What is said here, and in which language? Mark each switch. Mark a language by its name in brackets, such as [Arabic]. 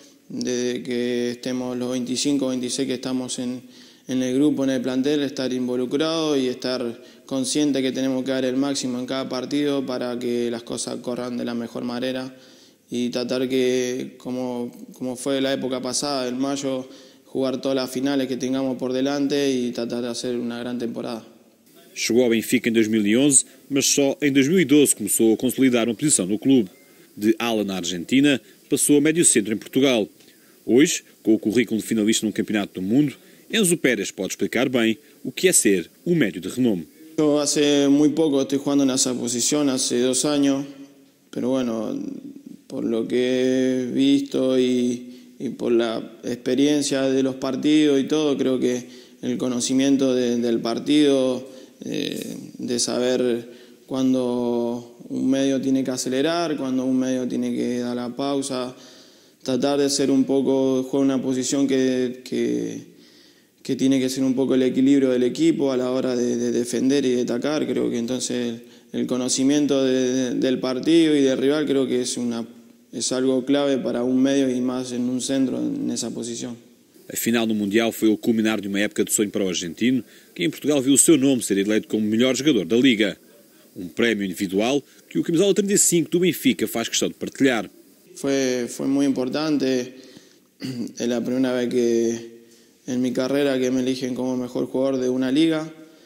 [Spanish] Desde que estemos los 25 o 26 que estamos en el grupo, en el plantel, estar involucrado y estar consciente que tenemos que dar el máximo en cada partido para que las cosas corran de la mejor manera, y tratar que, como fue la época pasada, en mayo, jugar todas las finales que tengamos por delante y tratar de hacer una gran temporada. [Portuguese] Chegou ao Benfica em 2011, mas só em 2012 começou a consolidar uma posição no clube. De ala na Argentina, passou a médio centro em Portugal. Hoje, com o currículo de finalista num campeonato do mundo, Enzo Pérez pode explicar bem o que é ser um médio de renome. [Spanish] Eu, hace muy poco estoy jugando [Portuguese] nessa posição, [Spanish] hace 2 años, pero bueno, por lo que he visto y por la experiencia de los partidos y todo, creo que el conocimiento del partido, de saber cuando un medio tiene que acelerar, cuando un medio tiene que dar la pausa, tratar de ser un poco, jugar una posición que tiene que ser un poco el equilibrio del equipo a la hora de defender y de atacar. Creo que entonces el conocimiento del partido y del rival, creo que es algo clave para un medio y más en un centro en esa posición. [Portuguese] A final do Mundial foi o culminar de uma época de sonho para o argentino, que em Portugal viu o seu nome ser eleito como melhor jogador da Liga. Um prémio individual que o camisola 35 do Benfica faz questão de partilhar. Foi muito importante. É a primeira vez que, em minha carreira, que [Spanish] me eligen [Portuguese] como melhor jogador de uma Liga.